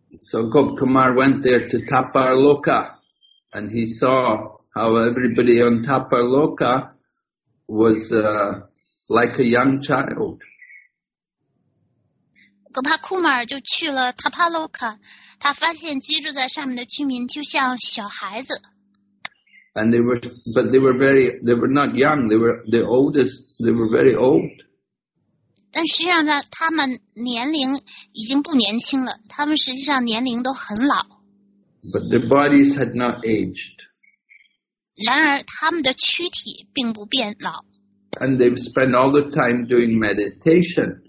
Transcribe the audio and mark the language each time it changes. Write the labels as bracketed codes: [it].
[en] So Gop Kumar went there to Tapaloka, and he saw how everybody on Tapaloka was like a young child. [zh] Gopa Kumar 就去了 Tapaloka, 他发现居住在上面的居民就像小孩子。 [en] And they were not young, they were the oldest, they were very old. [zh] 但实际上呢，他们年龄已经不年轻了，他们实际上年龄都很老。 [en] But their bodies had not aged. [zh] 然而他们的躯体并不变老。 [en] And they spent all the time doing meditation.